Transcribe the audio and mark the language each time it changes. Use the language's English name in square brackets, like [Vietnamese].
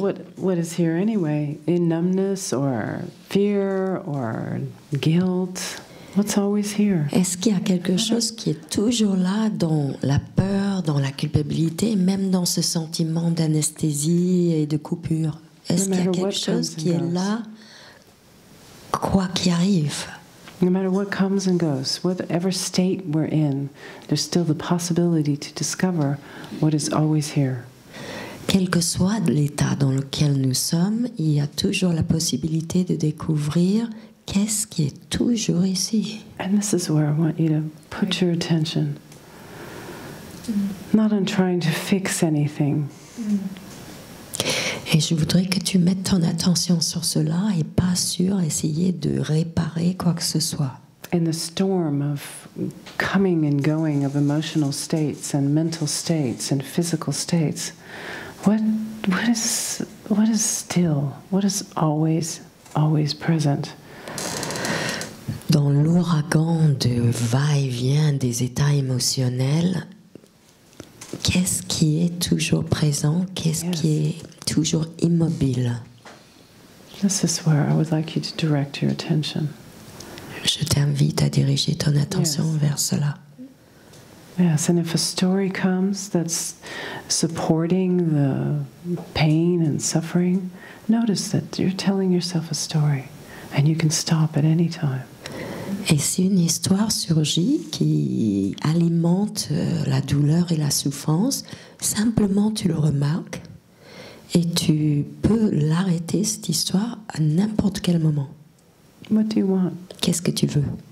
[English] What is here anyway? In numbness or fear or guilt? What's always here? [French] Est-ce qu'il y a quelque chose qui est toujours là dans la peur, dans la culpabilité, même dans ce sentiment d'anesthésie et de coupure? Est-ce qu'il y a quelque chose qui est là, quoi qu'il arrive? [English] No matter what comes and goes, whatever state we're in, there's still the possibility to discover what is always here. [French] Quel que soit l'état dans lequel nous sommes, il y a toujours la possibilité de découvrir qu'est-ce qui est toujours ici. [English] And this is where I want you to put your attention. Not on trying to fix anything. [French] Et je voudrais que tu mettes ton attention sur cela et pas sur essayer de réparer quoi que ce soit. [English] In the storm of coming and going of emotional states and mental states and physical states, what is still? What is always, always present? [French] Dans l'ouragan de va-et-vient des états émotionnels, qu'est-ce qui est toujours présent? Qu'est-ce qui est toujours immobile? [English] This is where I would like you to direct your attention. [French] Je t'invite à diriger ton attention vers cela. [English] Yes, and if a story comes that's supporting the pain and suffering, notice that you're telling yourself a story and you can stop at any time. [French] Et si une histoire surgit qui alimente la douleur et la souffrance, simplement tu le remarques et tu peux l'arrêter, cette histoire, à n'importe quel moment. [English] What do you want? [French] Qu'est-ce que tu veux?